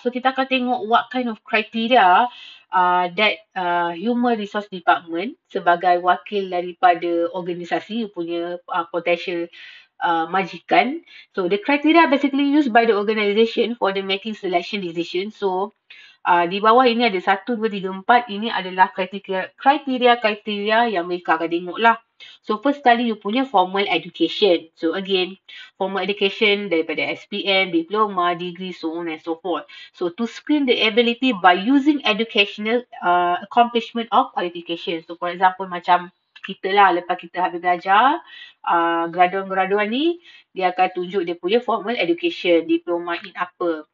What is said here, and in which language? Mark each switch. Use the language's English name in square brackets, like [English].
[English] So [Malay] kita akan tengok [English] what kind of criteria that human resource department [Malay] sebagai wakil daripada organisasi punya potential majikan. [English] So the criteria basically used by the organisation for the making selection decision. [Malay] So di bawah ini ada 1, 2, 3, 4. Ini adalah kriteria-kriteria yang mereka akan tengok lah. [English] So first sekali you punya formal education. So again, formal education [Malay] daripada [English] SPM, diploma, degree, so on and so forth. So to screen the ability by using educational accomplishment of qualification. [Malay] So for example, macam kita lah, lepas kita habis belajar, graduan-graduan ni, dia akan tunjuk dia punya [English] formal education, [Malay] diploma in apa.